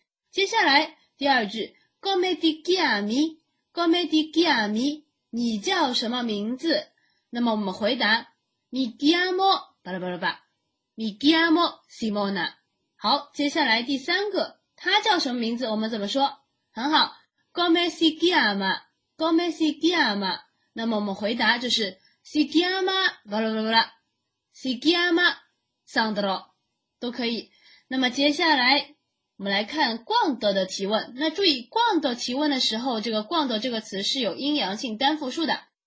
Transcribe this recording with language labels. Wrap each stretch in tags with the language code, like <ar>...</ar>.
<it>接下来第二句， come ti chiami， come ti chiami，</it> <zh>你叫什么名字？</zh> <it>那么我们回答 Mi chiamo 巴拉巴拉巴， Mi chiamo Simona。</it> <zh>好，接下来第三个，他叫什么名字我们怎么说？很好，</zh> <it>Come si chiama， Come si chiama。</it> <zh>那么我们回答就是 Si chiama 巴拉巴拉，</zh> <it>Si chiama Sandro</it> <zh>都可以。那么接下来我们来看逛的的提问。那注意逛的提问的时候，这个逛的这个词是有阴阳性单复数的。</zh>